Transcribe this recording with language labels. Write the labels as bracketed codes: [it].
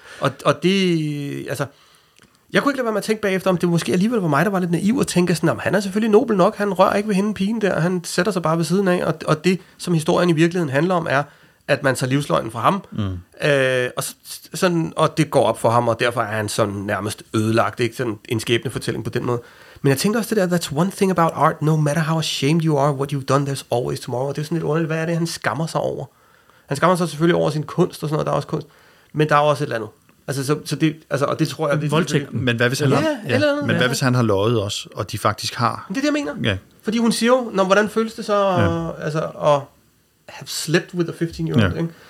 [da] Og det, altså, jeg kunne ikke lade være med at tænke bagefter, om det måske alligevel var mig, der var lidt naiv og tænke sådan, at han er selvfølgelig nobel nok, han rører ikke ved hende pigen der, han sætter sig bare ved siden af, og det, som historien i virkeligheden handler om, er, at man tager livsløgnen fra ham, og det går op for ham, og derfor er han sådan nærmest ødelagt, ikke sådan en skæbne fortælling på den måde. Men jeg tænkte også det der, [en] that's one thing about art, no matter how ashamed you are, what you've done, there's always tomorrow. [da] Det er sådan lidt underligt, hvad er det, han skammer sig over? Han skammer sig selvfølgelig over sin kunst og sådan noget, der er også kunst, men der er også et eller andet. Altså, så det, altså, og det tror jeg... Voldtægten. Men hvad hvis han har løjet os, og de faktisk har... Det er det, jeg mener. Ja. Fordi hun siger jo, hvordan føles det så at have [en] slept with a 15-year-old? [da] Ja. Ikke?